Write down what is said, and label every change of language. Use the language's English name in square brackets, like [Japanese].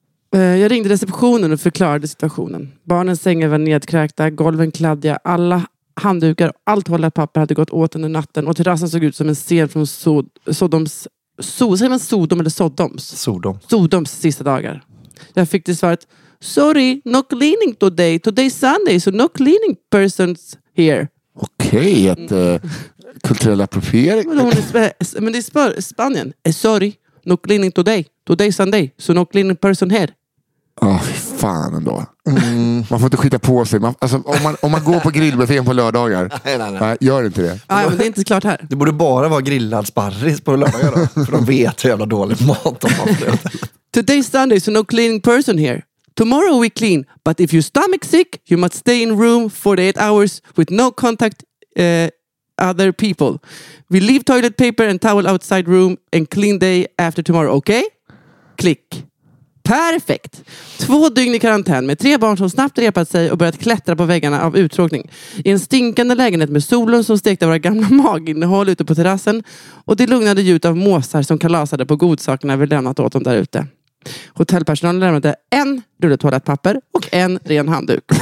[Swedish] Jag ringde receptionen och förklarade situationen. Barnens sängar var nedkräkta, golven kladdiga, alla handdukar och allt toalettpapper hade gått åt under natten och terrassen såg ut som en scen från Sodoms sista dagar. Jag fick till svaret, [English] sorry, no cleaning today. Today's Sunday, so no cleaning persons here. [Swedish] Okej, kulturell appropriering. Men det är Spanien. [English] Sorry, no cleaning today. Today's Sunday, so no cleaning person here. [Swedish] Fan ändå. Man får inte skita på sig. Om man går på grillbuffén på lördagar. Nej, gör inte det. Ja, men det är inte klart här. Det borde bara vara grillad sparris på lördagar då. För de vet hur jävla dålig mat de har. [English] Today's Sunday, so no cleaning person here. Tomorrow we clean, but if your stomach's sick, you must stay in room 48 hours with no contact other people. We leave toilet paper and towel outside room and clean day after tomorrow, okay? [Swedish] Click. Perfekt! 2 dygn i karantän med 3 barn som snabbt repat sig och börjat klättra på väggarna av uttråkning. I en stinkande lägenhet med solen som stekte våra gamla maginnehåll ute på terrassen och det lugnade ljud av måsar som kalasade på godsakerna vi lämnat åt dem där ute. Hotellpersonalen lämnade en rulle toalettpapper och en ren handduk.